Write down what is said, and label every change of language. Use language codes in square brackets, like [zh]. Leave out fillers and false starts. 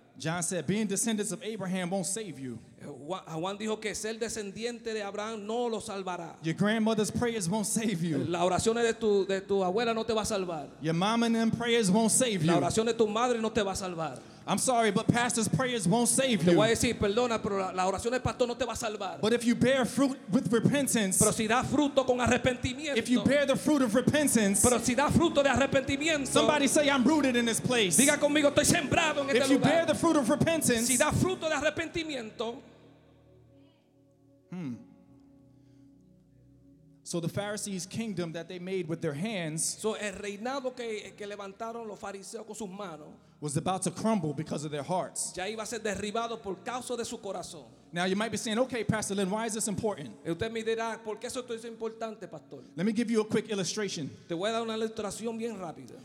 [en] John said, being descendants of Abraham won't save you. [es] Juan dijo que ser descendiente de Abraham no lo salvará. [en] Your grandmother's prayers won't save you. [es] La oración de tu abuela no te va a salvar. [en] Your mom and them prayers won't save you. [es] La oración de tu madre no te va a salvar. [en] I'm sorry, but pastor's prayers won't save you. [es] Te voy a decir, perdona, pero la oración del pastor no te va a salvar. [en] But if you bear fruit with repentance, [es] pero si da fruto con arrepentimiento, [en] if you bear the fruit of repentance, [es] pero si da fruto de arrepentimiento, [en] somebody say I'm rooted in this place. [es] Diga conmigo, estoy sembrado en este [en] if You bear the fruit of repentance, [es] si da fruto de arrepentimiento. [en] So the Pharisees' kingdom that they made with their hands. [es] So el reinado que levantaron los fariseos con sus manos. [en] Was about to crumble because of their hearts. [es] Ya iba a ser derribado por causa de su corazón. [en] Now you might be saying, okay, Pastor Len, why is this important? [es] Usted me dirá, ¿por qué esto es importante, pastor? [en] Let me give you a quick illustration. [es] Te voy a dar una ilustración bien rápida.